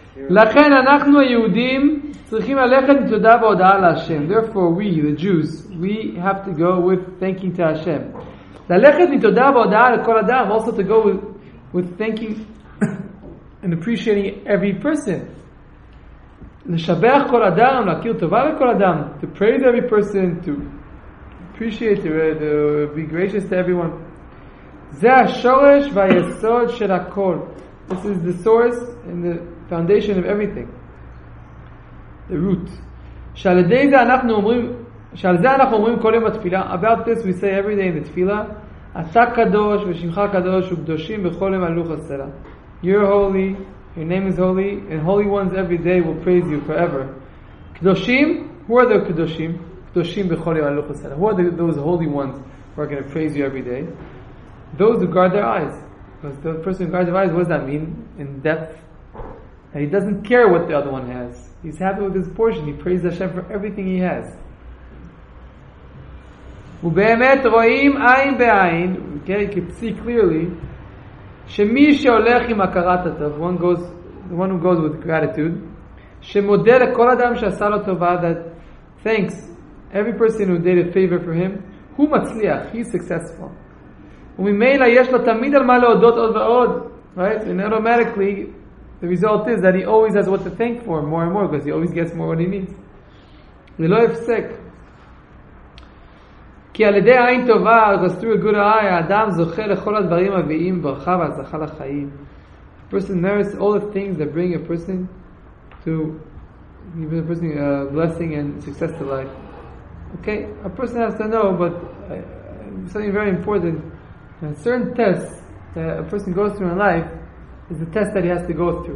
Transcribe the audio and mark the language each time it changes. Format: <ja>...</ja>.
<he>לכן אנחנו היהודים צריכים ללכת תודה והודאה להשם.</he> <en>Therefore we the Jews we have to go with thanking to Hashem.</en> <he>ללכת תודה והודאה לכל אדם,</he> <en>also to go with thanking and appreciating every person.</en> <he>לשבח כל אדם, להכיר טובה לכל אדם,</he> <en>to praise every person, to appreciate, to be gracious to everyone.</en> <he>זה השורש והיסוד של הכל.</he> <en>This is the source and the foundation of everything. The root.</en> <he>שעל ידי זה אנחנו אומרים, שעל זה אנחנו אומרים כל יום בתפילה.</he> <en>About this we say every day in the תפילה.</en> <he>אתה קדוש ושמך קדוש וקדושים בכל יום הלוך הסלע.</he> <en>You're holy, your name is holy, and holy ones every day will praise you forever. קדושים, who are the קדושים?</en> <he>קדושים בכל יום הלוך הסלע.</he> <en>Who are those holy ones who are going to praise you every day? Those who guard their eyes. Because the person who guards their eyes, what does that mean in depth? And he doesn't care what the other one has. He's happy with his portion. He praises Hashem for everything he has.</en> <he>ובאמת רואים עין בעין,</he> <en>okay, you can see clearly,</en> <he>שמי שהולך עם הכרת הטוב,</he> <en>the one who goes with gratitude,</en> <he>שמודה לכל אדם שעשה לו טובה,</he> <en>that thanks every person who did a favor for him,</en> <he>הוא מצליח,</he> <en>he's successful.</en> <he>וממילא יש לו תמיד על מה להודות עוד ועוד, right?</he> <en>And automatically, the result is that he always has what to thank for more and more, because he always gets more what he needs.</en> <he>ולא יפסק. כי על ידי עין טובה,</he> <en>because through a good eye,</en> <he>האדם זוכה לכל הדברים הביאים ברכה והצלחה לחיים.</he> <en>A person merits all the things that bring a person to give a person a blessing and success to life. Okay? A person has to know, but something very important. And certain tests that a person goes through in life is the test that he has to go through.</en>